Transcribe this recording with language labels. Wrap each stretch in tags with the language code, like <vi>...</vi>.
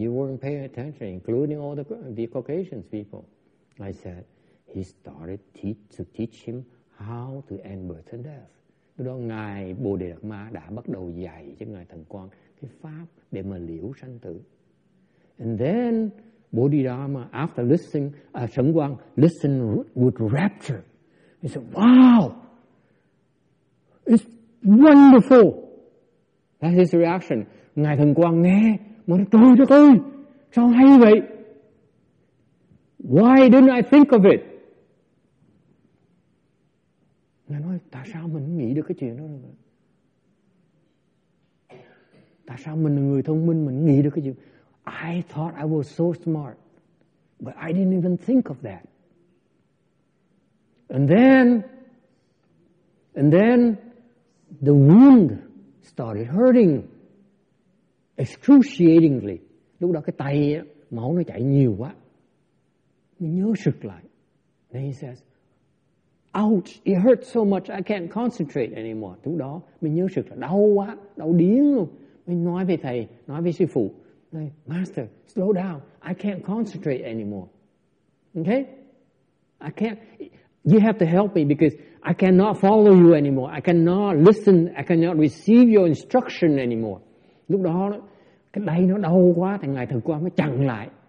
<en>You weren't paying attention, including all the Caucasian people. I said, he started to teach him how to end birth and death.</en> <vi>Lúc đó Ngài Bồ Đề Đạt Ma đã bắt đầu dạy cho Ngài Thần Quang cái pháp để mà liễu sanh tử.</vi> <en>And then Bodhidharma, after listening, Sheng Guang listened with rapture. He said, wow, it's wonderful. That's his reaction.</en> <vi>Ngài Thần Quang nghe, mà nói, trời đất ơi, sao hay vậy?</vi> <en>Why didn't I think of it?</en> <vi>Ngài nói, tại sao mình nghĩ được cái chuyện đó? Tại sao mình là người thông minh, mình nghĩ được cái chuyện?</vi> <en>I thought I was so smart, but I didn't even think of that. And then, And then the wound started hurting excruciatingly.</en> <vi>Lúc đó cái tay á, máu nó chảy nhiều quá. Mình nhớ sực lại.</vi> <en>Then he says, ouch, it hurts so much, I can't concentrate anymore.</en> <vi>Lúc đó mình nhớ sực là đau quá, đau điếng luôn. Mình nói với thầy, nói với sư phụ, này,</vi> <en>master, slow down, I can't concentrate anymore. Okay? I can't, you have to help me because I cannot follow you anymore. I cannot listen, I cannot receive your instruction anymore.</en> <vi>Lúc đó, cái đây nó đau quá, thì ngài thần quang mới chặn lại.</vi>